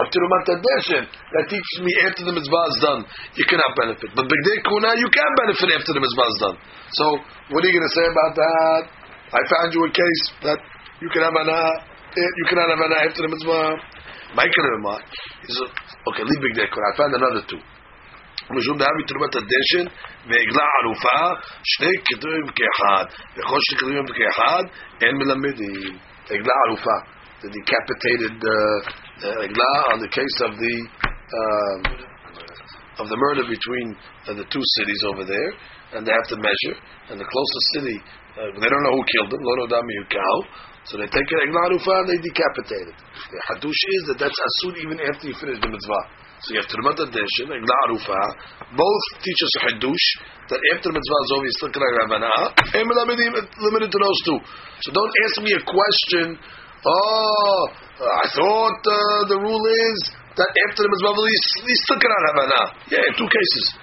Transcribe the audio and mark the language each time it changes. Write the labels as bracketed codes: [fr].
[en] of Tirumat Adeshen that teaches me after the mitzvah is done, you cannot benefit. But Begdei Kuna, you can benefit after the mitzvah is done. So, what are you going to say about that? I found you a case that you can have an after the mitzvah. My remark is, okay, leave Begdei Kuna. I found another two. [he] משום דהבי תרומת הדשן ועגלה ערופה שני קדומים כאחד וכל שני קדומים כאחד אין מלמדים עגלה ערופה [en] the decapitated עגלה on the case of the murder between the two cities over there and they have to measure and the closest city they don't know who killed them, [he] לא נודע מי הוא קהל, [en] so they take an עגלה ערופה and they decapitate it. The חדוש is that that's אסור even after you finish the mitzvah. So you have Tirumat Adeshin, Egla Arufa, both teach us a Hiddush, that after Mitzvah is over, you still can have an Ha'a, and limited to those two. So don't ask me a question, oh, I thought the rule is that after the Mitzvah, you still can have an Ha'a. Yeah, in two cases.